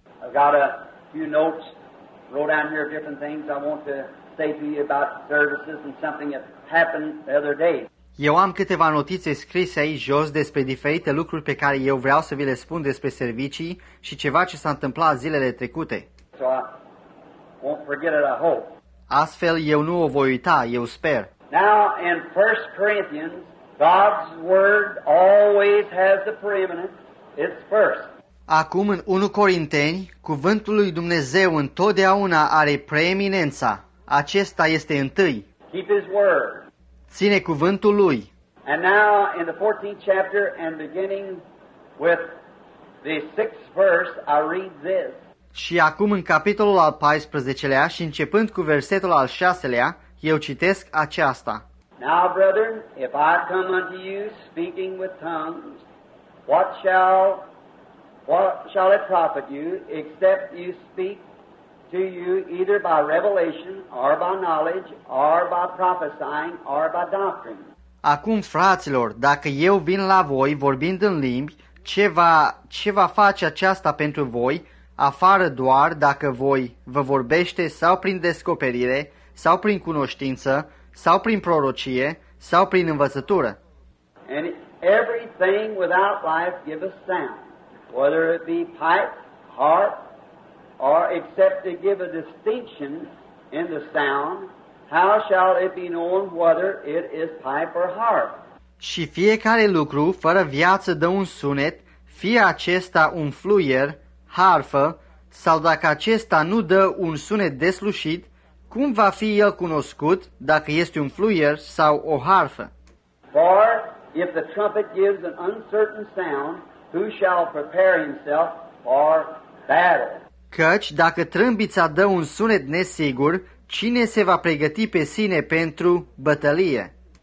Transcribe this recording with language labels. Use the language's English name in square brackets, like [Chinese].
[English] I've got a few notes, wrote down here different things I want to say to you about services and something that happened the other day. [Romanian] Eu am câteva notițe scrise aici jos despre diferite lucruri pe care eu vreau să vi le spun despre servicii și ceva ce s-a întâmplat zilele trecute. [English] So I won't forget it, I hope. [Romanian] Astfel, eu nu o voi uita, eu sper. [English] Now, in 1 Corinthians, God's word always has the preeminence. It's first. [Romanian] Acum, în 1 Corinteni, cuvântul lui Dumnezeu întotdeauna are preeminența. Acesta este întâi. [English] Keep His word. [Romanian] Ține cuvântul lui. [English] And now in the 14th chapter and beginning with the 6th verse, I read this. [Romanian] Și acum în capitolul al 14-lea și începând cu versetul al 6-lea, eu citesc aceasta. [English] Now, brethren, if I come unto you speaking with tongues, what shall it profit you, except you speak to you either by revelation or by knowledge or by prophesying or by doctrine. [Romanian] Acum, fraților, dacă eu vin la voi vorbind în limbi, ce va face aceasta pentru voi, afară doar dacă voi vă vorbește sau prin descoperire, sau prin cunoștință, sau prin prorocie, sau prin învățătură? [English] And everything without life gives a sound, whether it be pipe, harp, or except to give a distinction in the sound, how shall it be known whether it is pipe or harp? [Romanian] Și fiecare lucru fără viață dă un sunet, fie acesta un fluier, harfă, sau dacă acesta nu dă un sunet deslușit, cum va fi el cunoscut dacă este un fluier sau o harfă? [English] For if the trumpet gives an uncertain sound, who shall prepare himself for battle? [Romanian] Căci dacă trâmbița dă un sunet nesigur, cine se va pregăti pe sine pentru bătălie?